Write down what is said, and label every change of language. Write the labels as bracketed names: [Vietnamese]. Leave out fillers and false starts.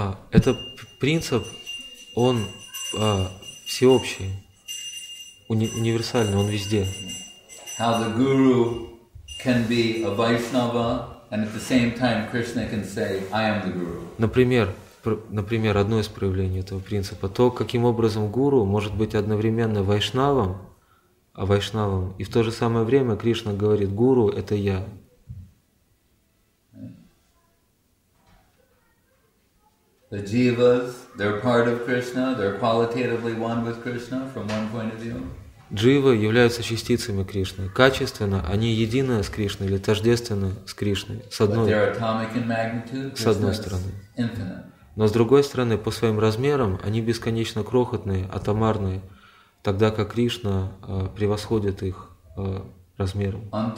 [Russian] это принцип, он всеобщий, универсальный, он везде. [English] How the guru can be a Vaishnava and at the same time Krishna can say, I am the guru. [Russian] Например, одно из проявлений этого принципа, то, каким образом гуру может быть одновременно вайшнавом, а вайшнавом, и в то же самое время Кришна говорит, гуру — это я. [English] The jivas, they're part of Krishna, they're qualitatively one with Krishna from one point of view. [Russian] Дживы являются частицами Кришны. Качественно они едины с Кришной или тождественны с Кришной, с одной стороны. Но с другой стороны, по своим размерам они бесконечно крохотные, атомарные, тогда как Кришна превосходит их размером.